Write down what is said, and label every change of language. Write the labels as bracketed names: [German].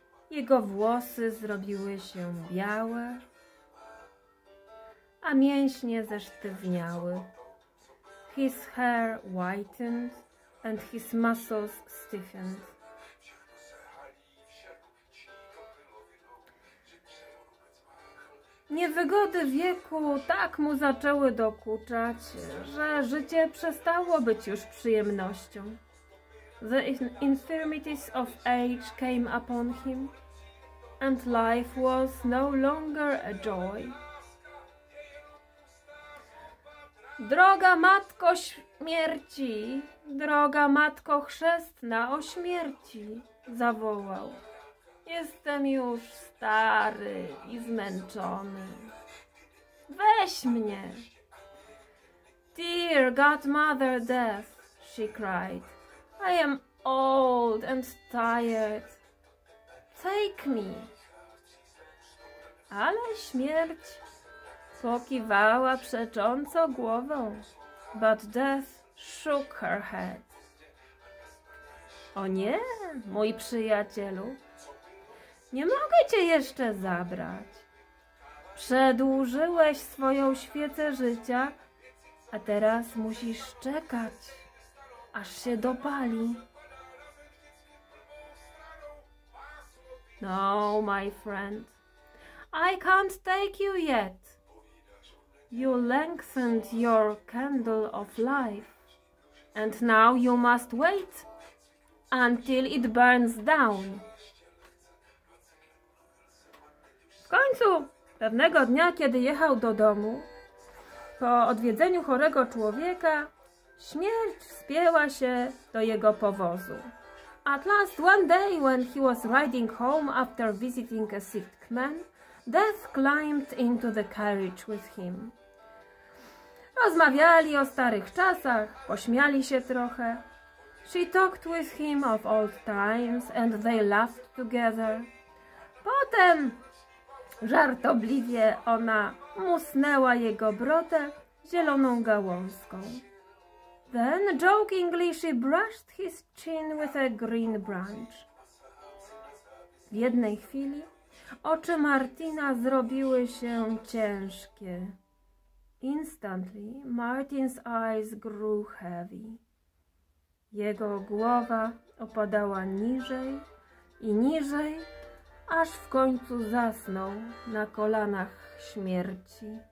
[Polish] Jego włosy zrobiły się białe, a mięśnie zesztywniały. [English] His hair whitened and his muscles stiffened. [Polish] Niewygody wieku tak mu zaczęły dokuczać, że życie przestało być już przyjemnością. [English] The infirmities of age came upon him, and life was no longer a joy. [Polish] Droga Matko Śmierci, droga Matko Chrzestna o śmierci, zawołał. Jestem już stary i zmęczony. Weź mnie! [English] Dear Godmother Death, she cried. I am old and tired. Take me! [Polish] Ale śmierć pokiwała przecząco głową. [English] But Death shook her head. [Polish] O nie, mój przyjacielu! Nie mogę cię jeszcze zabrać. Przedłużyłeś swoją świecę życia, a teraz musisz czekać, aż się dopali. [English] No, my friend, I can't take you yet. You lengthened your candle of life, and now you must wait until it burns down. [Polish] W końcu pewnego dnia, kiedy jechał do domu, po odwiedzeniu chorego człowieka, śmierć wspięła się do jego powozu. [English] At last, one day, when he was riding home after visiting a sick man, Death climbed into the carriage with him. [Polish] Rozmawiali o starych czasach, pośmiali się trochę. [English] She talked with him of old times and they laughed together. [Polish] Potem żartobliwie ona musnęła jego brodę zieloną gałązką. [English] Then, jokingly, she brushed his chin with a green branch. [Polish] W jednej chwili oczy Martina zrobiły się ciężkie. [English] Instantly, Martin's eyes grew heavy. [Polish] Jego głowa opadała niżej i niżej, aż w końcu zasnął na kolanach śmierci.